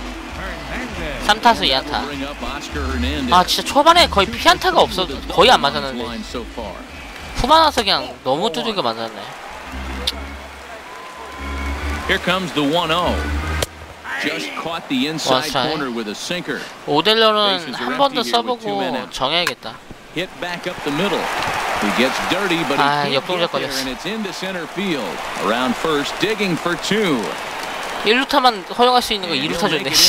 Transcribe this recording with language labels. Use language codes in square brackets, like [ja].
[ko] 봐봐. 3타수 2안타. 아 진짜 초반에 거의 피안타가 없어도 거의 안 맞았는데 후반 와서 그냥 너무 두들겨 맞았네. [en] Here comes the 1-0. Just caught the inside corner with a sinker. [ko] 오델러는 한 번 더 써보고 정해야겠다. [en] Hit back up the middle. He gets dirty, but he can't get there, and it's in the center field. Around first, digging for two. [ko] 1루타만 허용할 수 있는 거 2루타 줘야 돼.